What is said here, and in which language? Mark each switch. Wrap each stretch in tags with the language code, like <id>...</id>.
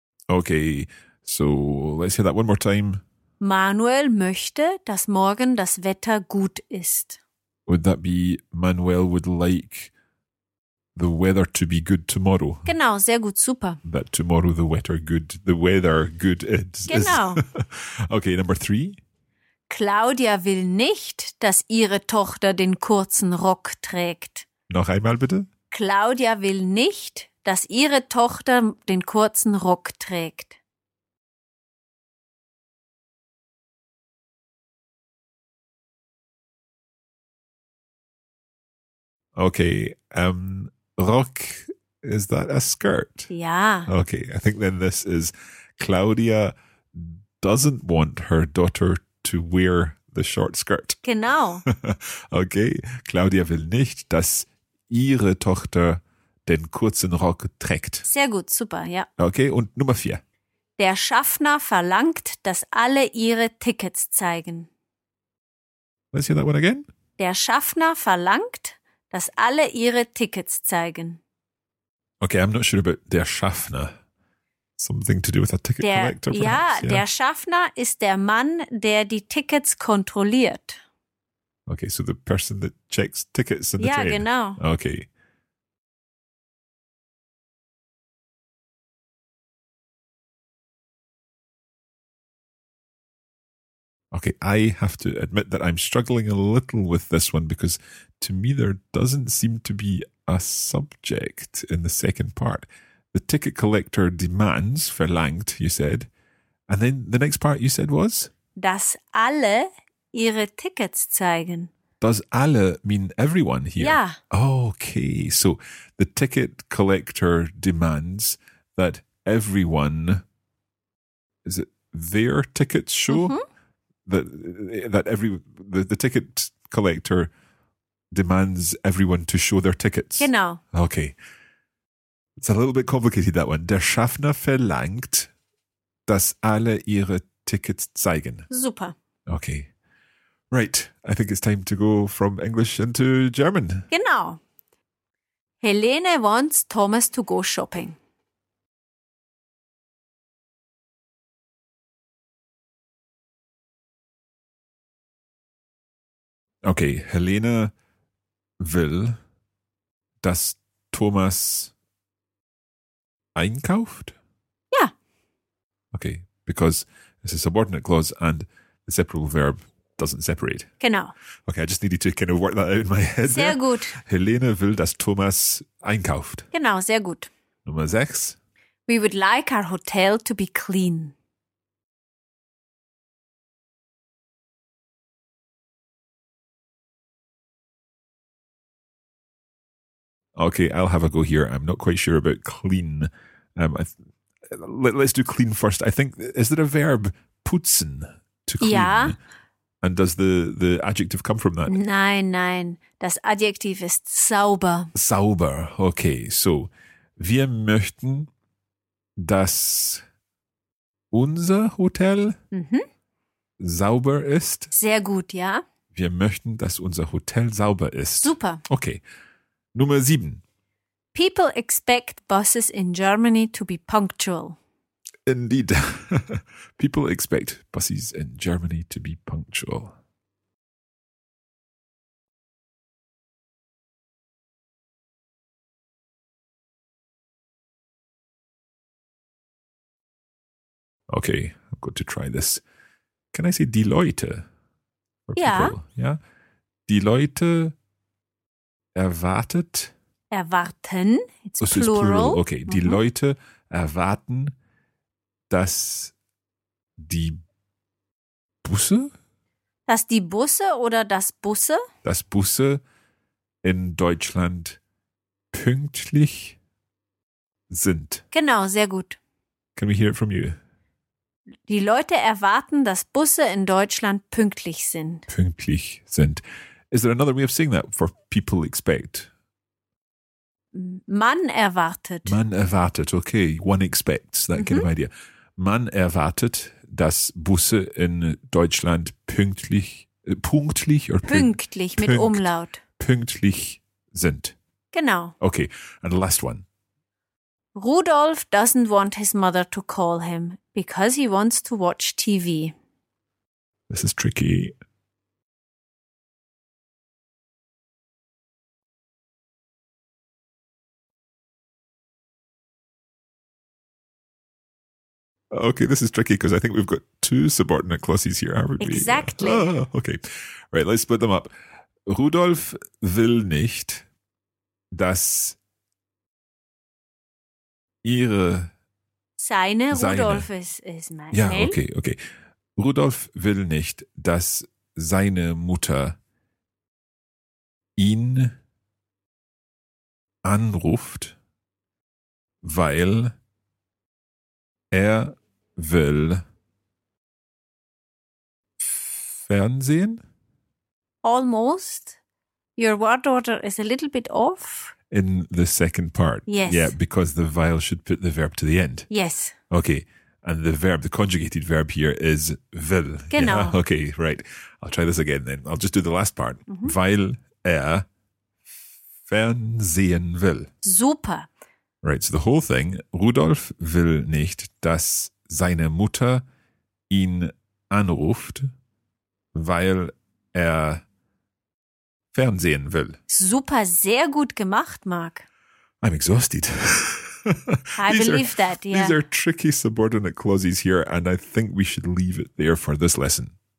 <en>Okay, so let's hear that one more time.</en> <de>Manuel möchte, dass morgen das Wetter gut ist.</de> <en>Would that be Manuel would like the weather to be good tomorrow?</en> <de>Genau, sehr gut, super.</de> <en>That tomorrow the weather good is.</en> <de>Genau.</de> <en>Okay, number three.</en> <de>Claudia will nicht, dass ihre Tochter den kurzen Rock trägt. Noch einmal bitte. Claudia will nicht, dass ihre Tochter den kurzen Rock trägt.</de> <en>Okay, Rock, is that a skirt? Yeah. Okay, I think then this is Claudia doesn't want her daughter to wear the short skirt.</en> <de>Genau. Okay, Claudia will nicht, dass ihre Tochter den kurzen Rock trägt. Sehr gut, super, ja. Okay, und Nummer vier. Der Schaffner verlangt, dass alle ihre Tickets zeigen.</de> <en>Let's hear that one again.</en> <de>Der Schaffner verlangt, dass alle ihre Tickets zeigen.</de> <en>Okay, I'm not sure about der Schaffner. Something to do with a ticket collector, perhaps.</en> <de>Ja, der Schaffner ist der Mann, der die Tickets kontrolliert.</de> <en>Okay, so the person that checks tickets in the</en> <de>train. Ja, genau.</de> <en>Okay. Okay, I have to admit that I'm struggling a little with this one because to me there doesn't seem to be a subject in the second part. The ticket collector demands, verlangt, you said. And then the next part you said was?</en> <de>Dass alle ihre Tickets zeigen.</de> <en>Does alle mean everyone here? Yeah. Okay, so the ticket collector demands that everyone, is it their tickets show? Mm-hmm. That the ticket collector demands everyone to show their tickets.</en> <de>Genau.</de> <en>Okay. It's a little bit complicated, that one. Der Schaffner verlangt, dass alle ihre Tickets zeigen. Super. Okay. Right. I think it's time to go from English into German.</en> <de>Genau.</de> <en>Helene wants Thomas to go shopping.</en> <de>Okay, Helene will, dass Thomas einkauft? Ja.</de> <en>Okay, because it's a subordinate clause and the separable verb doesn't separate.</en> <de>Genau.</de> <en>Okay, I just needed to kind of work that out in my head.</en> <de>Sehr gut. Helene will, dass Thomas einkauft. Genau, sehr gut. Nummer 6.</de> <en>We would like our hotel to be clean. Okay, I'll have a go here. I'm not quite sure about clean. Let's do clean first. I think, is there a verb, putzen, to clean?</en> <de>Ja.</de> <en>And does the adjective come from that?</en> <de>Nein, nein. Das Adjektiv ist sauber. Sauber. Okay, so wir möchten, dass unser Hotel sauber ist. Sehr gut, ja. Wir möchten, dass unser Hotel sauber ist. Super. Okay. Nummer 7.</de> <en>People expect buses in Germany to be punctual. Indeed. People expect buses in Germany to be punctual. Okay, I'm going to try this. Can I say die Leute? Yeah.</en> <de>Yeah. Die Leute erwartet.</de> <en>Erwarten. It's plural. Plural. Okay.</en> <de>Mm-hmm. Die Leute erwarten, dass die Busse. Dass die Busse oder das Busse? Dass Busse in Deutschland pünktlich sind. Genau, sehr gut.</de> <en>Can we hear it from you?</en> <de>Die Leute erwarten, dass Busse in Deutschland pünktlich sind. Pünktlich sind.</de> <en>Is there another way of saying that for people expect?</en> <de>Man erwartet. Man erwartet, okay.</de> <en>One expects, that kind of idea.</en> <de>Man erwartet, dass Busse in Deutschland pünktlich, punktlich oder pünktlich, mit Umlaut. Pünktlich sind. Genau.</de> <en>Okay, and the last one. Rudolf doesn't want his mother to call him because he wants to watch TV. This is tricky. Okay, this is tricky because I think we've got two subordinate clauses here, haven't we? Exactly. Ah, okay. Right, let's split them up.</en> <de>Rudolf will nicht, dass ihre... Seine Rudolf ist mein... Ja, okay, okay. Rudolf will nicht, dass seine Mutter ihn anruft, weil er will Fernsehen?</de> <en>Almost. Your word order is a little bit off. In the second part. Yes. Yeah, because the vowel should put the verb to the end. Yes. Okay. And the verb, the conjugated verb here is will.</en> <de>Genau.</de> <en>Yeah? Okay, right. I'll try this again then. I'll just do the last part.</en> <de>Mm-hmm. Weil er Fernsehen will. Super.</de> <en>Right, so the whole thing.</en> <de>Rudolf will nicht, dass seine Mutter ihn anruft, weil er Fernsehen will. Super, sehr gut gemacht, Mark.</de> <en>I'm exhausted. I believe that, yeah. These are tricky subordinate clauses here, and I think we should leave it there for this lesson.</en>